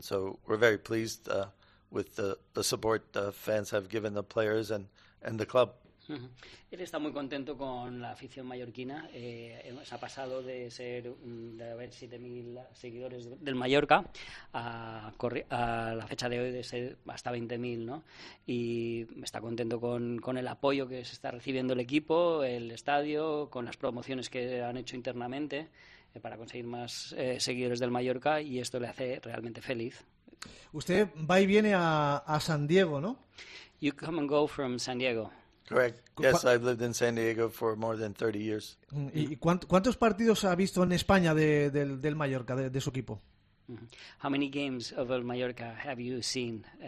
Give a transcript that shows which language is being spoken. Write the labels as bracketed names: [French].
[English] So we're very pleased with the support the fans have given the players and the club. Uh-huh. [Spanish] Él está muy contento con la afición mallorquina. Se ha pasado de haber 7.000 seguidores del Mallorca a la fecha de hoy de ser hasta 20.000, ¿no? Y está contento con el apoyo que se está recibiendo el equipo, el estadio, con las promociones que han hecho internamente para conseguir más seguidores del Mallorca, y esto le hace realmente feliz. Usted va y viene a San Diego, ¿no? [English] You come and go from San Diego. Correct. Yes, I've lived in San Diego for more than 30 years. [Spanish] ¿Y cuántos partidos ha visto en España del Mallorca, de su equipo? [English] How many games of El Mallorca have you seen